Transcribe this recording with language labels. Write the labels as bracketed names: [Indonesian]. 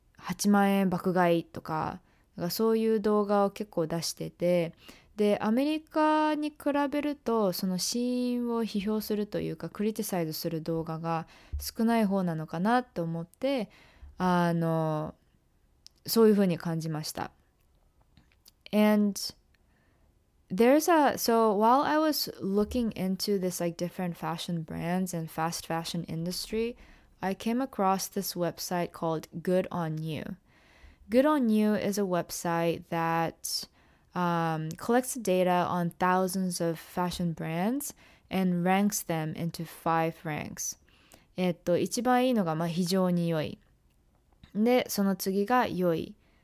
[Japanese] 8万円爆買いとか、なんかそういう動画を結構出してて、でアメリカに比べるとそのシーンを批評するというかクリティサイズする動画が少ない方なのかなと思って、そういうふうに感じました。 [English] And there's a, so while I was looking into this like different fashion brands and fast fashion industry, I came across this website called Good On You. Good On You is a website that collects data on thousands of fashion brands and ranks them into 5 ranks. [Japanese] 一番いいのが、まあ、非常に良い。で、その次が良い。